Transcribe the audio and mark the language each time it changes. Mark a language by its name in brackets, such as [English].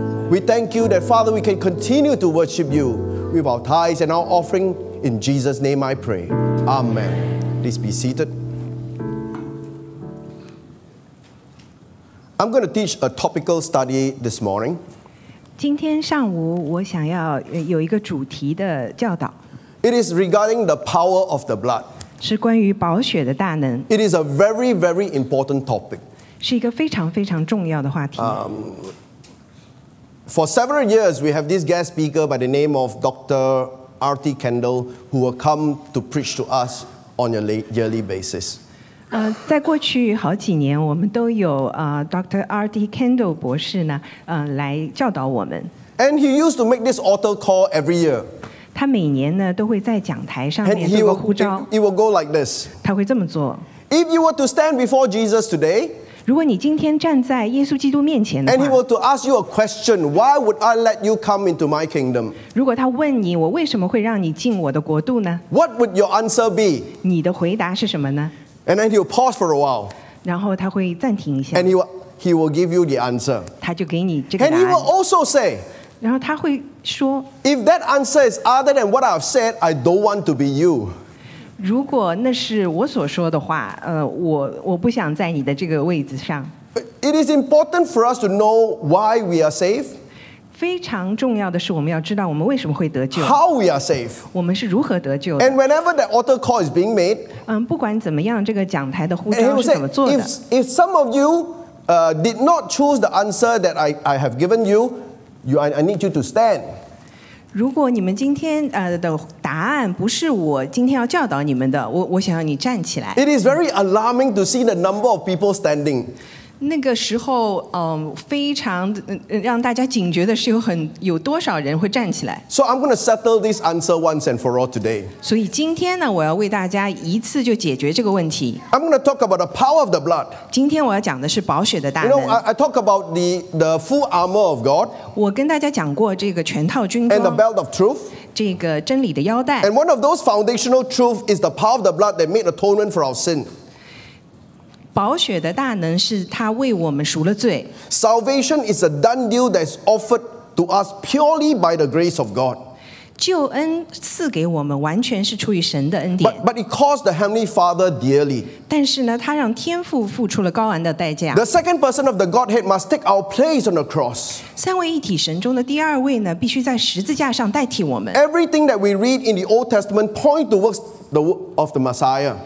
[English] We thank you that, Father, we can continue to worship you with our tithes and our offering. In Jesus' name I pray. Amen. Please be seated. I'm going to teach a topical study this morning. [Chinese] 今天上午我想要有一个主题的教导。 [English] It is regarding the power of the blood. [Chinese] 是关于宝血的大能。 [English] It is a very, very important topic. [Chinese] 是一个非常非常重要的话题。 [English] For several years, we have this guest speaker by the name of Dr. R.T. Kendall, who will come to preach to us on a yearly basis. [Chinese] 在过去好几年，我们都有Dr. R.T. Kendall 博士呢，来教导我们。 [English] And he used to make this altar call every year. [Chinese] 他每年呢都会在讲台上面做个呼召。 [English] It will go like this. [Chinese] 他会这么做。 [English] If you were to stand before Jesus today, [Chinese] 如果你今天站在耶稣基督面前的话 [English] ，and he were to ask you a question, why would I let you come into my kingdom? [Chinese] 如果他问你，我为什么会让你进我的国度呢 [English] ？What would your answer be? [Chinese] 你的回答是什么呢？ [English] And then he'll pause for a while. [Chinese] 然后他会暂停一下。 [English] And he will give you the answer. [Chinese] 他就给你这个答案。 [English] And he will also say. [Chinese] 然后他会说。 [English] If that answer is other than what I've said, I don't want to be you. [Chinese] 如果那是我所说的话，我不想在你的这个位置上。 [English] It is important for us to know why we are saved. [Chinese] 非常重要的是我们要知道我们为什么会得救。 [English] How we are saved. [Chinese] 我们是如何得救的。 [English] And whenever that altar call is being made. [Chinese] 不管怎么样，这个讲台的呼召是怎么做的。 [English] And he will say, if some of you did not choose the answer that I have given you, I need you to stand. [Chinese] 如果你们今天的答案不是我今天要教导你们的，我想要你站起来。 [English] It is very alarming to see the number of people standing. [Chinese] 那个时候，非常让大家警觉的是有多少人会站起来。 [English] So I'm going to settle this answer once and for all today. [Chinese] 所以今天呢，我要为大家一次就解决这个问题。 [English] I'm going to talk about the power of the blood. [Chinese] 今天我要讲的是宝血的大能。 [English] You know, I talk about the full armor of God. [Chinese] 我跟大家讲过这个全套军装。 [English] And the belt of truth. [Chinese] 这个真理的腰带。 [English] And one of those foundational truths is the power of the blood that made atonement for our sin. [Chinese] 宝血的大能是他为我们赎了罪。 [English] Salvation is a done deal that is offered to us purely by the grace of God. [Chinese] 救恩赐给我们完全是出于神的恩典。 [English] But it cost the Heavenly Father dearly. [Chinese] 但是呢，他让天父付出了高昂的代价。 [English] The second person of the Godhead must take our place on the cross. [Chinese] 三位一体神中的第二位呢，必须在十字架上代替我们。 [English] Everything that we read in the Old Testament points towards the of the Messiah.